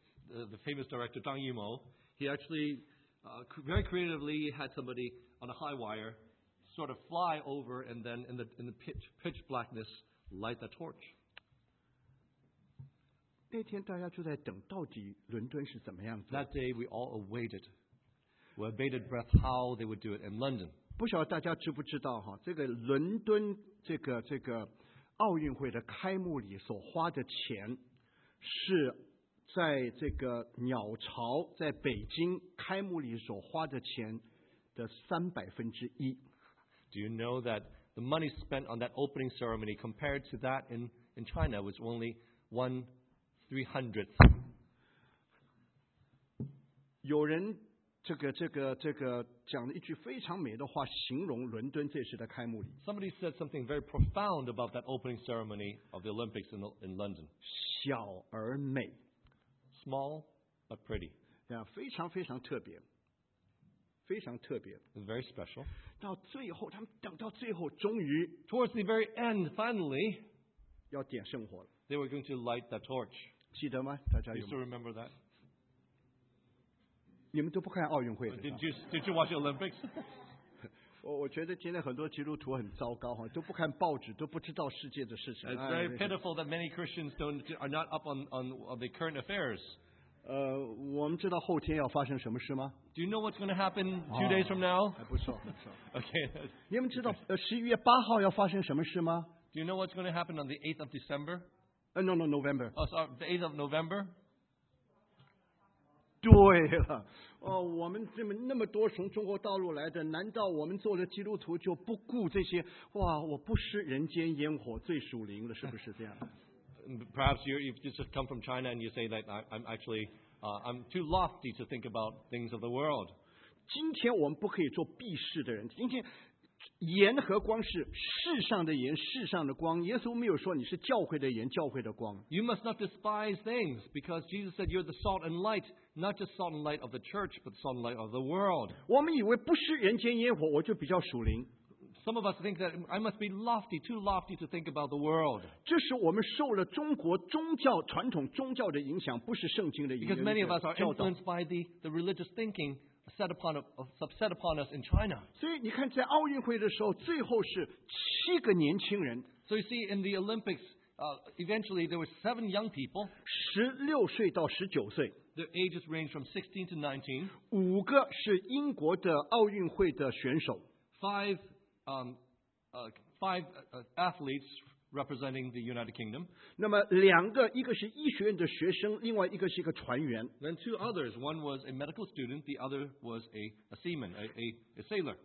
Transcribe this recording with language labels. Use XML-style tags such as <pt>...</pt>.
<en>The famous director 张艺谋 he actually very creatively had somebody on a high wire sort of fly over and then in the pitch blackness light the torch.</en> <zh>那天大家就在等到底伦敦是怎么样子。</zh> <en>That day we all awaited, with bated breath how they would do it in London.</en> <zh>不晓得大家知不知道哈，这个伦敦。这个奥运会的开幕礼所花的钱是在这个鸟巢在北京开幕礼所花的钱的1/300</zh> <en>Do you know that the money spent on that opening ceremony compared to that in China was only 1/300?</en> <zh>有人这个讲了一句非常美的话，形容伦敦这次的开幕礼。</zh> <en>Somebody said something very profound about that opening ceremony of the Olympics in London.</en> <zh>小而美</zh> <en>，small but pretty.</en> <zh>对啊，非常非常特别，非常特别。</zh> <en>It's very special.</en> <zh>到最后，他们等到最后，终于</zh> <en>，towards the very end, finally,</en> <zh>要点圣火了。</zh> <en>They were going to light the torch.</en> <zh>记得吗？大家有</zh> <en>？You still remember that?</en> <zh>你们都不看奥运会的</zh> <en>Did you watch Olympics?</en> <zh>我觉得今天很多基督徒很糟糕都不看报纸都不知道世界的事情</zh> <en>It's very pitiful that many Christians are not up on the current affairs</en> <zh>我们知道后天要发生什么事吗</zh> <en>Do you know what's going to happen 2 days from now?</en> <zh>还不错</zh> <en>Okay</en> <zh>你们知道11月8号要发生什么事吗</zh> <en>Do you know what's going to happen on the 8th of December? No, November Oh, sorry, the 8th of November?</en> <zh>对了，我们这么那么多从中国大陆来的，难道我们做了基督徒就不顾这些？哇，我不食人间烟火最属灵了，是不是这样</zh> <en>？Perhaps you've just come from China and you say that I'm actually I'm too lofty to think about things of the world.</en> <zh>今天我们不可以做避世的人。今天盐和光是世上的盐，世上的光。耶稣没有说你是教会的盐，教会的光。</zh> <en>You must not despise things because Jesus said you're the salt and light. Not just salt and light of the church, but salt and light of the world.</en> <zh>我们以为不食人间烟火，我就比较属灵。</zh> <en>Some of us think that I must be lofty, too lofty to think about the world.</en> <zh>这是我们受了中国宗教传统宗教的影响，不是圣经的影响。</zh> <en>Because many of us are influenced by the religious thinking set upon us in China.</en> <zh>所以你看，在奥运会的时候，最后是七个年轻人。</zh> <en>So you see, in the Olympics, eventually there were seven young people.</en> <zh>16岁到19岁。</zh> <en>The ages range from 16 to 19.</en> <zh>五个是英国的奥运会的选手。</zh> <en>Five athletes representing the United Kingdom.</en> <zh>那么两个，一个是医学院的学生，另外一个是一个船员。</zh> <en>Then two others. One was a medical student. The other was a seaman, a sailor.</en>